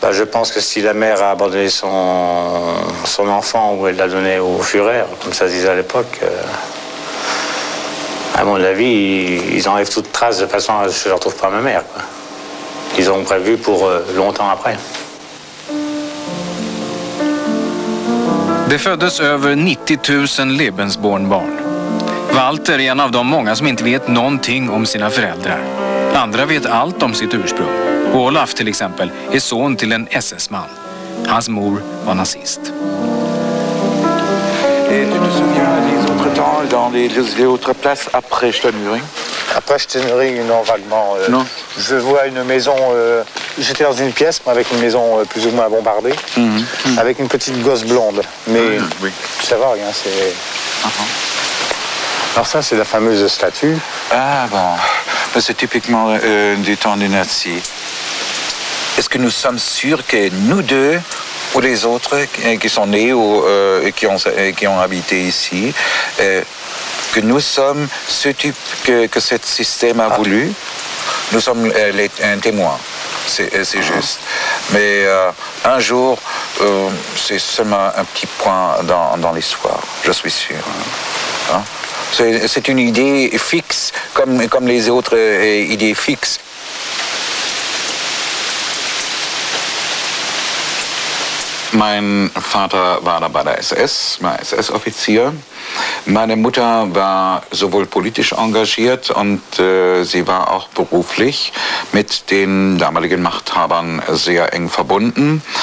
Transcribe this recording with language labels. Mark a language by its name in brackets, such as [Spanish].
[French] Je pense que si la mère a abandonné son enfant ou elle l'a donné au Führer, comme ça se disait à l'époque... À mon avis, ils enlèvent toute trace de façon à ce que je ne retrouve pas ma mère, quoi. Ils ont prévu pour longtemps après. [Swedish] Det föddes över 90 000 Lebensborn-barn. Walter är en av de många som inte vet någonting om sina föräldrar. Andra vet allt om sitt ursprung. Olaf till exempel är son till en SS-man. Hans mor var nazist. [French] Et tu te souviens des autres temps dans les autres places après Stenhuring? Après Stenhuring, non, vaguement. Non. Je vois une maison. J'étais dans une pièce, moi, avec une maison plus ou moins bombardée, avec une petite gosse blonde. Mais ça va rien, c'est. Alors ça, c'est la fameuse statue. Ah bon. C'est typiquement du temps des nazis. Est-ce que nous sommes sûrs que nous deux, ou les autres qui sont nés ou qui ont habité ici, que nous sommes ce type que ce système a voulu, nous sommes un témoin, c'est juste. Mais un jour, c'est seulement un petit point dans l'histoire, je suis sûr. Hein? C'est une idée fixe, comme les autres idées fixes. [German] Mein Vater war bei der SS, war SS-Offizier. Meine Mutter war sowohl politisch engagiert und sie war auch beruflich mit den damaligen Machthabern sehr eng verbunden.